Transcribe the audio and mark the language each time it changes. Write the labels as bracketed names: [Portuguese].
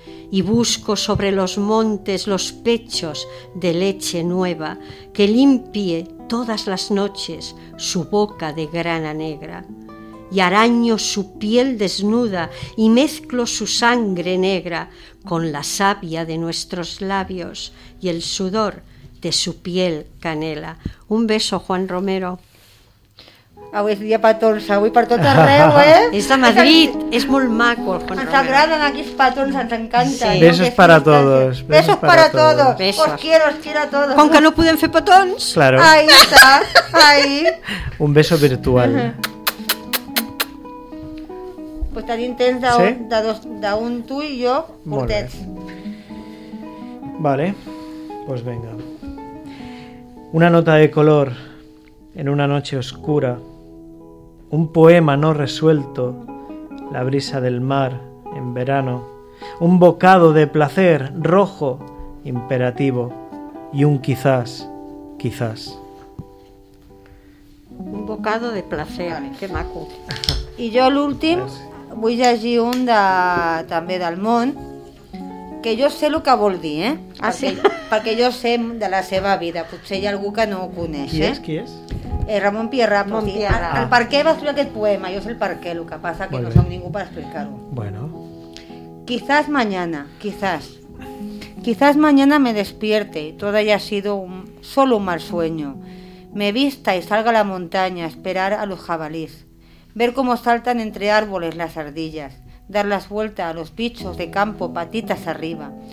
[Spanish] y busco sobre los montes los pechos de leche nueva que limpie todas las noches su boca de grana negra, y araño su piel desnuda y mezclo su sangre negra con la savia de nuestros labios y el sudor de su piel canela. Un beso, Juan Romero. [Catalan] Avui és dia petons, avui per tot arreu, eh? És de Madrid, és molt maco. Ens agraden aquests petons, ens encanta. Sí. Besos per a tots. Besos per a tots. [Spanish] Os quiero [Catalan] a tots. Com que no podem fer petons. [Spanish] Claro. Ahí está, ahí. Un beso virtual. [Catalan] Pues tenim temps d'un tu i jo, curtets. [Spanish] Vale, pues venga. Una nota de color en una noche oscura. Un poema no resuelto, la brisa del mar en verano, un bocado de placer rojo, imperativo, y un quizás, quizás. Un bocado de placer, vale. Qué maco. [Catalan] I jo l'últim vull llegir un de, també del món, que jo sé el que vol dir, eh? Ah, sí? Perquè jo sé de la seva vida, potser hi ha algú que no ho coneix. Qui és, qui és? Ramon Pierra, el per què va escriure aquest poema, jo sé el per què, el que passa que no som ningú per explicar-ho. [Spanish] Bueno. Quizás mañana, quizás. Quizás mañana me despierte y todo haya sido solo un mal sueño. Me vista y salga a la montaña a esperar a los jabalís. Ver cómo saltan entre árboles las ardillas. Dar las vueltas a los bichos de campo patitas arriba.